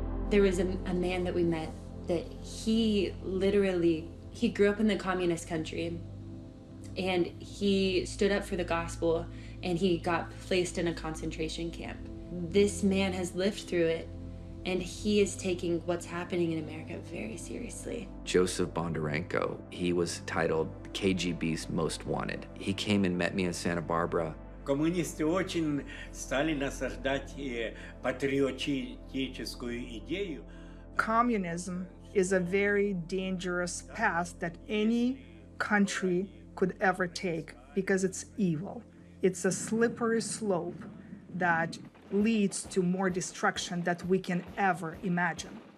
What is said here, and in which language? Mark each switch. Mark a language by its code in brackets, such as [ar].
[en] There was a man that we met that he grew up in the communist country, and he stood up for the gospel and he got placed in a concentration camp. This man has lived through it, and he is taking what's happening in America very seriously. Joseph Bondarenko, he was titled KGB's Most Wanted. He came and met me in Santa Barbara. [ru] Коммунисты очень стали насаждать патриотическую идею. [en] Communism is a very dangerous path that any country could ever take because it's evil. It's a slippery slope that leads to more destruction than we can ever imagine.